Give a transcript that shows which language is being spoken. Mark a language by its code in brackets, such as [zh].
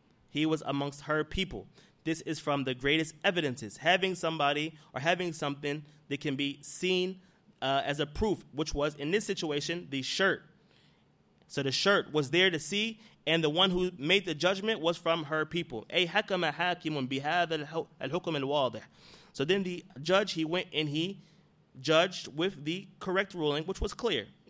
[en] He was amongst her people. This is from the greatest evidences. Having somebody or having something that can be seen as a proof, which was, in this situation, the shirt. So the shirt was there to see, and the one who made the judgment was from her people. [ar] أي حكم حاكم بهذا الحكم الواضح. [en] So then the judge, he went and he judged with the correct ruling, which was clear.